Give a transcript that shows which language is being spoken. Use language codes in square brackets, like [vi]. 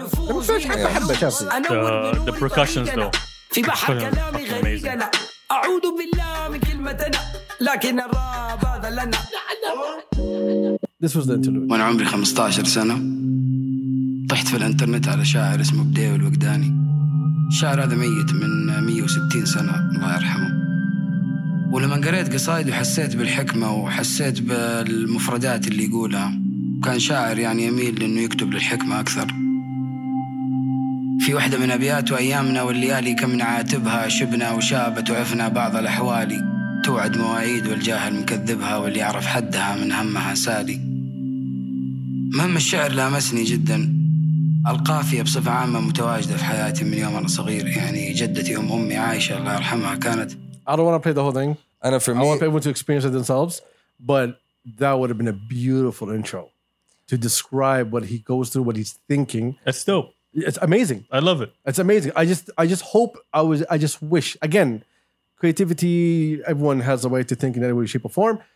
[en] The percussions, though. This was the interlude. When I was 15 years old, I fell on the internet with a poet named Bdeo Al-Wakdani. [ar] الشاعر هذا ميت من 160 سنة الله يرحمه. ولما قريت قصائده حسيت بالحكمة وحسيت بالمفردات اللي يقولها، وكان شاعر يعني يميل لأنه يكتب للحكمة أكثر. في واحدة من أبياته: أيامنا والليالي كم نعاتبها، شبنا وشابت وعفنا بعض الأحوالي، توعد مواعيد والجاهل مكذبها، واللي يعرف حدها من همها سالي. مهم الشعر لامسني جدا، القافية بصفة عامة متواجدة في حياتي من يوم أنا صغير. يعني جدتي أم أمي عائشة الله يرحمها كانت. [en] I don't want to play the whole thing. And for me, I want people to experience it themselves. But that would have been a beautiful intro to describe what he goes through, what he's thinking. That's dope. It's amazing. I love it. It's amazing. I just wish, again, creativity, everyone has a way to think in any way, shape, or form.